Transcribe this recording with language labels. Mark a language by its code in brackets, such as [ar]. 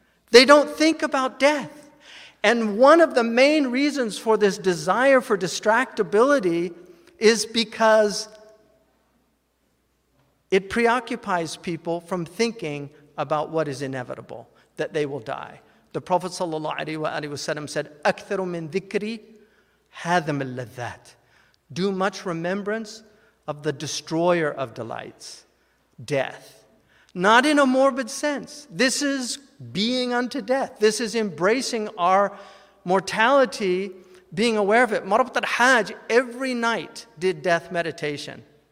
[en] They don't think about death. And one of the main reasons for this desire for distractibility is because it preoccupies people from thinking about what is inevitable, that they will die. The Prophet ﷺ said, [ar] أَكْثَرُ مِنْ ذِكْرِي هَذَمَ اللَّذَّاتِ. [en] Do much remembrance of the destroyer of delights, death. Not in a morbid sense. This is being unto death. This is embracing our mortality, being aware of it. Marwat al-Hajj, every night, did death meditation.